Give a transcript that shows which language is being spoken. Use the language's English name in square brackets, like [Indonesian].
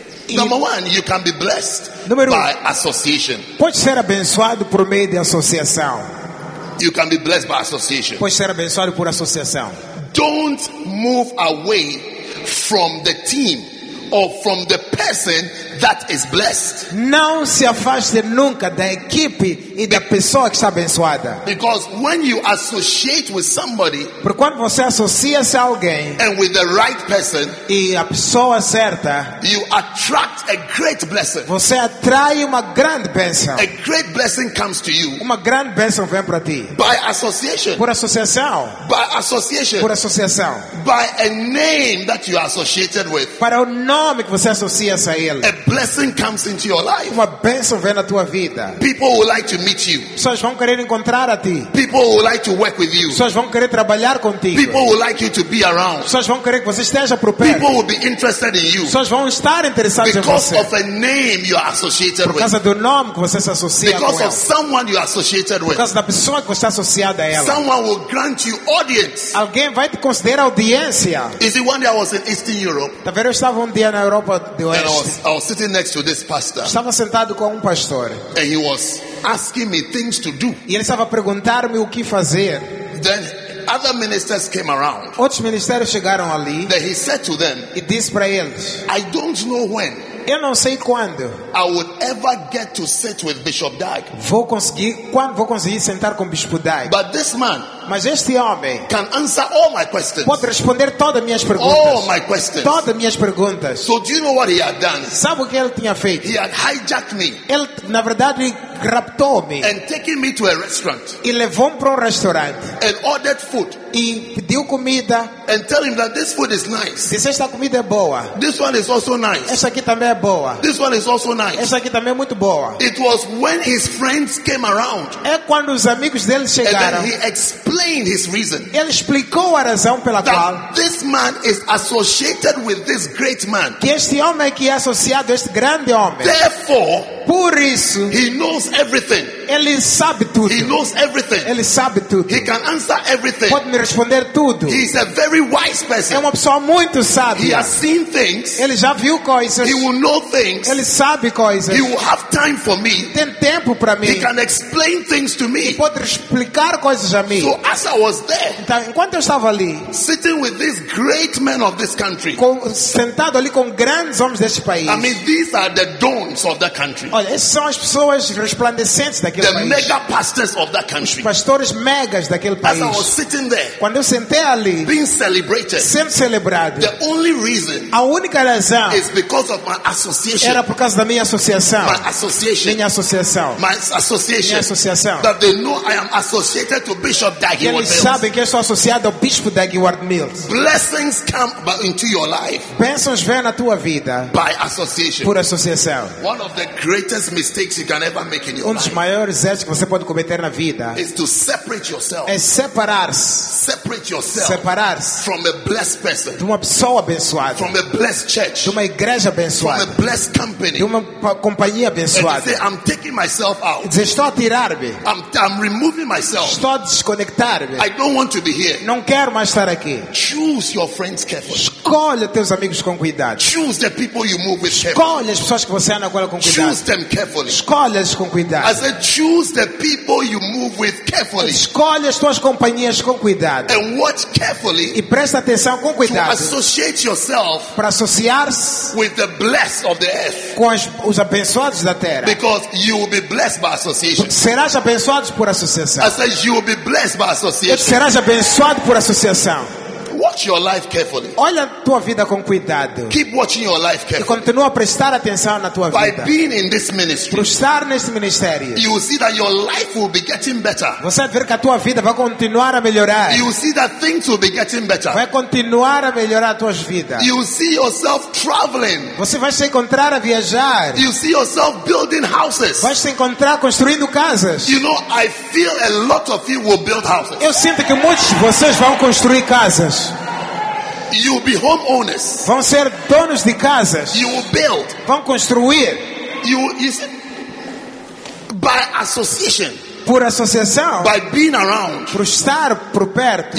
[English] Number one, you can be blessed by association. [Portuguese] Pode ser abençoado por meio de associação. [English] You can be blessed by association. [Portuguese] Pode ser abençoado por associação. [English] Don't move away from the team or from the person that is blessed. [Portuguese] Não se afaste nunca da equipe e da pessoa que está abençoada. [English] Because when you associate with somebody, [Portuguese] porque quando você associa-se a alguém, [English] and with the right person, [Portuguese] e a pessoa certa, [English] you attract a great blessing. [Portuguese] Você atrai uma grande bênção. [English] A great blessing comes to you. [Portuguese] Uma grande bênção vem para ti. [English] By association. [Portuguese] Por associação. [English] By association. [Portuguese] Por associação. [English] By a name that you are associated with. [Portuguese] Para o nome que você associa-se a ele. [English] A blessing comes into your life. [Portuguese] Uma bênção vem na tua vida. [English] People will like to meet you. [Portuguese] Pessoas vão querer encontrar a ti. [English] People will like to work with you. [Portuguese] Pessoas vão querer trabalhar contigo. [English] People will like you to be around. [Portuguese] Pessoas vão querer que você esteja por perto. [English] People will be interested in you. [Portuguese] Pessoas vão estar interessadas em você. [English] Because of a name you are associated with. [Portuguese] Por causa do nome que você se associa com ela. [English] Because of someone you are associated with. [Portuguese] Por causa da pessoa que você está associada a ela. [English] Someone will grant you audience. [Portuguese] Alguém vai te conceder audiência. [English] Is it one day I was in Eastern Europe? [Portuguese] Tá vendo, eu estava um dia na Europa do Oeste. [English] I was sitting next to this pastor. [Portuguese] Estava sentado com um pastor. [English] And he was asking me things to do. [Portuguese] E ele estava a perguntar-me o que fazer. [English] Then other ministers came around. [Portuguese] Outros ministérios chegaram ali. [English] Then he said to them, [Portuguese] e disse para eles, [English] I don't know when. [Portuguese] Eu não sei quando. [English] I would ever get to sit with Bishop Dyke. [Portuguese] Quando vou conseguir sentar com Bispo Dyke. [English] But this man, [Portuguese] mas este homem, [English] can answer all my questions. [Portuguese] Pode responder todas as minhas perguntas. [English] All my questions. [Portuguese] Todas as minhas perguntas. [English] So do you know what he had done? [Portuguese] Sabe o que ele tinha feito? [English] He had hijacked me. [Portuguese] Ele, na verdade, raptou-me. [English] And taken me to a restaurant. [Portuguese] E levou-me para restaurante. [English] And ordered food. [Portuguese] E pediu comida. [English] And tell him that this food is nice. [Portuguese] Disse, esta comida é boa. [English] This one is also nice. [Portuguese] Essa aqui também é boa. [English] This one is also nice. [Portuguese] Essa aqui também é muito boa. [English] It was when his friends came around. [Portuguese] É quando os amigos dele chegaram. [English] And then he explained his reason. [Portuguese] Ele explicou a razão pela [English] that [Portuguese] qual [English] this man is associated with this great man. [Portuguese] Que este homem que é associado a este grande homem. [English] Therefore, [Portuguese] por isso, [English] he knows everything. [Portuguese] Ele sabe tudo. [English] He knows everything. [Portuguese] Ele sabe tudo. [English] He can answer everything. [Portuguese] Pode me responder tudo. [English] He is a very wise person. [Portuguese] É uma pessoa muito sábia. [English] He has seen things. [Portuguese] Ele já viu coisas. [English] He will know things. [Portuguese] Ele sabe coisas. [English] He will have time for me. [Portuguese] Tem tempo para mim. [English] He can explain things to me. [Portuguese] Ele pode explicar coisas a mim. [English] So as I was there, [Portuguese] então, enquanto eu estava ali, [English] sitting with these great men of this country, [Portuguese] sentado ali com grandes homens deste país, [English] I mean these are the dons of the country. [Portuguese] Olha, essas são as pessoas resplandecentes daquele [English] the [Portuguese] país. [English] The mega pastors of that country. [Portuguese] Os pastores megas daquele país. [English] As I was sitting there, [Portuguese] quando eu sentei ali, [English] being celebrated, [Portuguese] sendo celebrado, [English] the only reason, [Portuguese] a única razão, [English] is because of my association. [Portuguese] Era por causa da minha associação. [English] My association. [Portuguese] Minha associação. [English] My association. [Portuguese] Minha associação. [English] That they know I am associated to Bishop Dagwood Mills. [Portuguese] Eles sabem que eu sou associado ao Bispo Dagwood Mills. [English] Blessings come into your life. [Portuguese] Bênçãos vêm na tua vida. [English] By association. [Portuguese] Por associação. [English] One of the greatest mistakes you can ever make in your life. [Portuguese] Um dos maiores erros que você pode cometer na vida. [English] Is to separate yourself. [Portuguese] É separar-se. [English] Separate yourself. [Portuguese] Separar-se. [English] From a blessed person. [Portuguese] De uma pessoa abençoada. [English] From a blessed church. [Portuguese] De uma igreja abençoada. [English] From a blessed company. [Portuguese] De uma companhia abençoada. [English] And you say, I'm taking myself out. [Portuguese] Diz, estou a tirar-me. [English] I'm removing myself. [Portuguese] Estou a desconectar-me. [English] I don't want to be here. [Portuguese] Não quero mais estar aqui. [English] Choose your friends carefully. [Portuguese] Escolha teus amigos com cuidado. [English] Choose the people you move with carefully. [Portuguese] Escolha as pessoas que você anda com cuidado. [English] Choose them carefully. [Portuguese] Escolha-as com cuidado. [English] I said, Choose the people you move with carefully. [Portuguese] Escolhe as tuas companhias com cuidado. [English] And watch carefully. [Portuguese] E presta atenção com cuidado. [English] To associate yourself with the blessed of the earth. [Portuguese] Com os abençoados da terra. [English] Because you will be blessed by association. [Portuguese] Serás abençoado por associação. [English] I said you will be blessed by association. [Portuguese] Serás abençoado por associação. [English] Watch your life carefully. [Portuguese] Olha tua vida com cuidado. [English] Keep watching your life carefully. [Portuguese] E continua a prestar atenção na tua vida. [English] By being in this ministry, [Portuguese] por estar neste ministério, [English] you will see that your life will be getting better. [Portuguese] Você vai ver que a tua vida vai continuar a melhorar. [English] You will see that things will be getting better. [Portuguese] Vai continuar a melhorar a tua vida. [English] You will see yourself traveling. [Portuguese] Você vai se encontrar a viajar. [English] You will see yourself building houses. [Portuguese] Vai se encontrar construindo casas. [English] You know, I feel a lot of you will build houses. [Portuguese] Eu sinto que muitos de vocês vão construir casas. [English] You will be homeowners. [Portuguese] Vão ser donos de casas. [English] You will build. [Portuguese] Vão construir. [English] You see, by association. [Portuguese] Por associação. [English] By being around. [Portuguese] Por estar por perto.